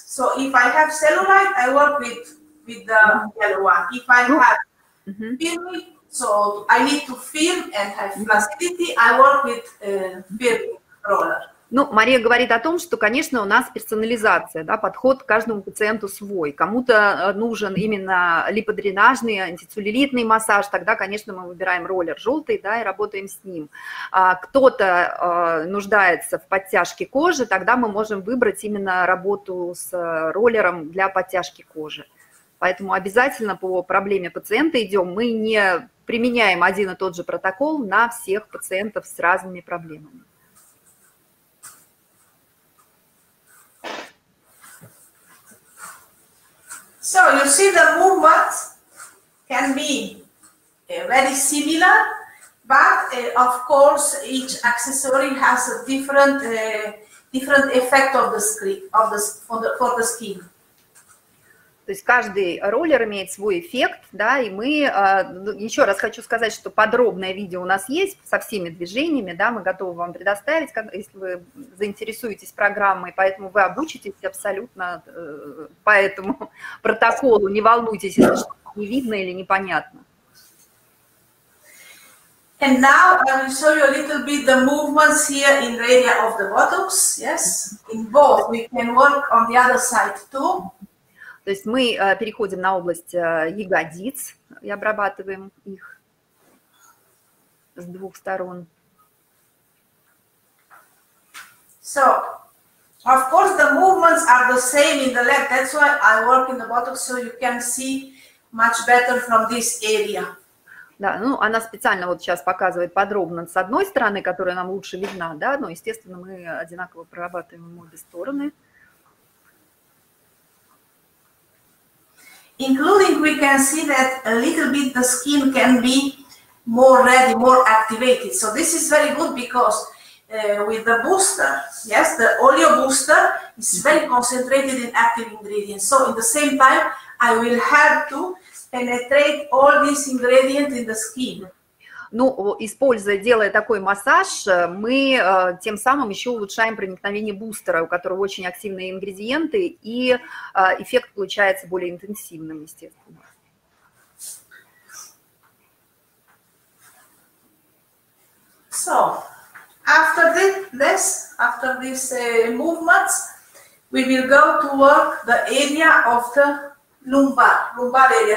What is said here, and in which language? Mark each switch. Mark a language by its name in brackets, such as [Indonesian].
[English] So if I have cellulite, I work with the yellow one. If I have film, so I need to film and have flaccidity, I work with film roller. [Russian] Ну, Мария говорит о том, что, конечно, у нас персонализация, да, подход к каждому пациенту свой. Кому-то нужен именно липодренажный, антицеллюлитный массаж, тогда, конечно, мы выбираем роллер желтый, да, и работаем с ним. А кто-то нуждается в подтяжке кожи, тогда мы можем выбрать именно работу с роллером для подтяжки кожи. Поэтому обязательно по проблеме пациента идем. Мы не применяем один и тот же протокол на всех пациентов с разными проблемами. [English] So you see the movements can be very similar, but of course each accessory has a different different effect of the skin of the for the for the skin. [Russian] То есть каждый роллер имеет свой эффект, да, и мы, еще раз хочу сказать, что подробное видео у нас есть со всеми движениями, да, мы готовы вам предоставить, если вы заинтересуетесь программой, поэтому вы обучитесь абсолютно по этому протоколу, не волнуйтесь, если что-то не видно или непонятно. [English] And now I will show you a little bit the movements here in the area of the buttocks, yes, in both, we can work on the other side too. [Russian] То есть мы переходим на область ягодиц и обрабатываем их с двух сторон. [English] So, of course, the movements are the same in the leg. That's why I work in the buttocks, so you can see much better from this area. [Russian] Да, ну, она специально вот сейчас показывает подробно с одной стороны, которая нам лучше видна, да, но, естественно, мы одинаково прорабатываем обе стороны. [English] Including we can see that a little bit the skin can be more ready, more activated. So this is very good because with the booster, yes, the oleo booster is very concentrated in active ingredients. So in the same time, I will have to penetrate all these ingredients in the skin. [Russian] Ну, используя, делая такой массаж, мы тем самым еще улучшаем проникновение бустера, у которого очень активные ингредиенты, и эффект получается более интенсивным, естественно. [English] So, after this, after these movements, we will go to work the area of the lumbar area.